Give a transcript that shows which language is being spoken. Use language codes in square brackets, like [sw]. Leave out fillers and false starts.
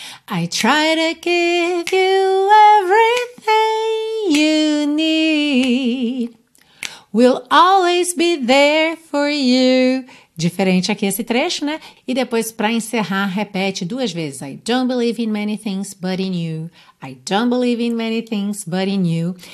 [en] I try to give you everything you need. We'll always be there for you. [pt] Diferente aqui esse trecho, né? E depois, para encerrar, repete duas vezes. [en] I don't believe in many things but in you. I don't believe in many things but in you.